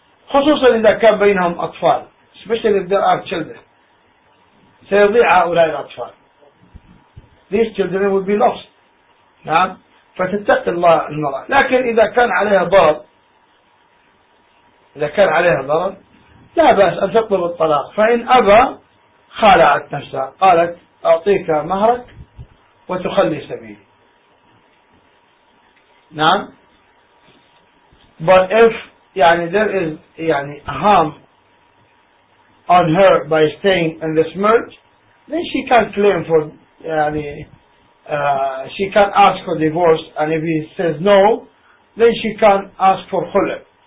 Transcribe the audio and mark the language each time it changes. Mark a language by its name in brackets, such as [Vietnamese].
[Arabic] خصوصا إذا كان بينهم أطفال, [English] especially if there are children. [Arabic] سيضيع هؤلاء الأطفال. [English] These children will be lost. [Arabic] نعم. فتتق الله المرأة. لكن إذا كان عليها ضرر, إذا كان عليها ضرر لا بأس أن تطلب الطلاق. فإن أبى خالعت نفسها, قالت أعطيك مهرك وتخلي سبيلي. نعم. [English] But if يعني there is يعني harm on her by staying in this marriage, then she can claim for يعني she can ask for divorce, and if he says no, then she can ask for khul'.